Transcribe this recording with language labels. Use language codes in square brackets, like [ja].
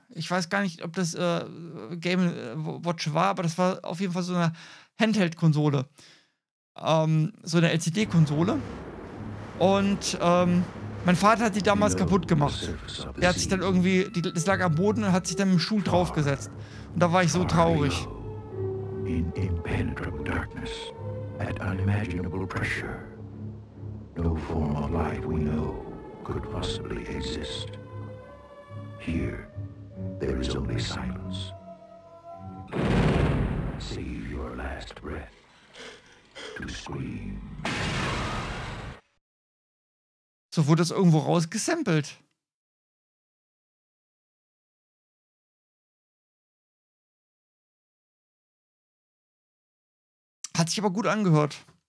[de] Ich weiß gar nicht, ob das Game & Watch war, aber das war auf jeden Fall so eine Handheld-Konsole. So eine LCD-Konsole. Und mein Vater hat die damals kaputt gemacht. Der hat sich dann irgendwie, das lag am Boden und hat sich dann mit dem Schuh draufgesetzt. Und da war ich so traurig. [en] In impenetrable darkness. At unimaginable pressure, no form of life we know could possibly exist. Here, there is only silence. Save your last breath to scream. [de] So wurde das irgendwo rausgesampelt. Hat sich aber gut angehört.